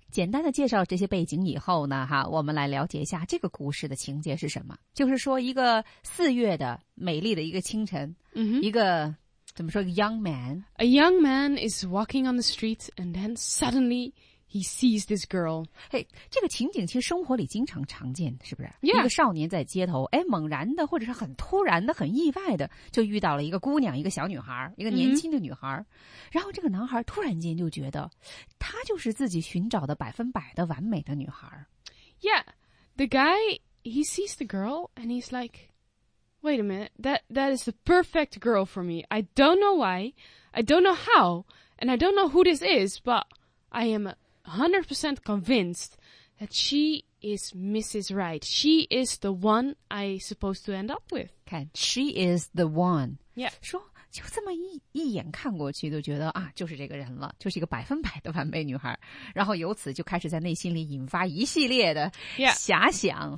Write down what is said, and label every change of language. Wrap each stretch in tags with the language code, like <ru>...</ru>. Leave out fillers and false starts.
<zh>简单的介绍这些背景以后呢，哈，我们来了解一下这个故事的情节是什么。就是说一个四月的美丽的一个清晨，一个怎么说</zh> <en>a young man is walking on the street and then suddenly he sees this girl.</en> <zh>Hey, 这个情景其实生活里经常常见，是不是？ Yeah. 一个少年在街头，哎，猛然的或者是很突然的很意外的就遇到了一个姑娘，一个小女孩，一个年轻的女孩。然后这个男孩突然间就觉得她就是自己寻找的百分百的完美的女孩。</zh> <en>Yeah, the guy, he sees the girl and he's like... Wait a minute, that is the perfect girl for me. I don't know why, I don't know how, and I don't know who this is, but I am 100% convinced that she is Mrs. Right. She is the one I supposed to end up with. Okay, she is the one. Yeah.</en> <zh>说就这么一眼看过去就觉得啊，就是这个人了，就是一个百分百的完美女孩。然后由此就开始在内心里引发一系列的遐想，</zh>